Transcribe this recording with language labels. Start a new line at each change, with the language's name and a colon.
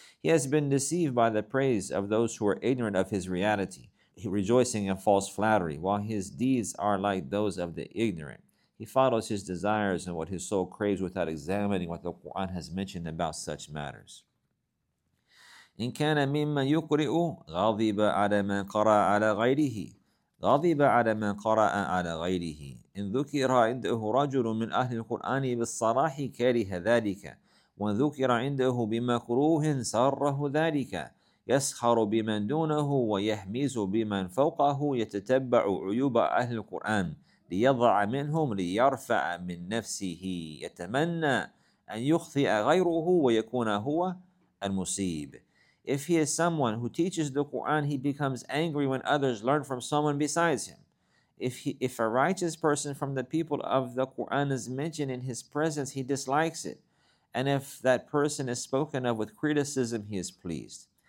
English: He has been deceived by the praise of those who are ignorant of his reality, rejoicing in false flattery, while his deeds are like those of the ignorant. He follows his desires and what his soul craves without examining what the Quran has mentioned about such matters.
Arabic: إن كان ممن يقرئ غضب على من قرأ على غيره غضب على من قرأ على غيره إن ذكر عنده رجل من أهل القرآن بالصلاح كره ذلك وإن ذكر عنده بمكروه سره ذلك يسخر بمن دونه ويحمز بمن فوقه يتتبع عيوب أهل القرآن ليضع منهم ليرفع من نفسه يتمنى أن يخطئ غيره ويكون هو المصيب.
English: If he is someone who teaches the Quran, he becomes angry when others learn from someone besides him. If a righteous person from the people of the Quran is mentioned in his presence, he dislikes it. And if that person is spoken of with criticism, he is pleased.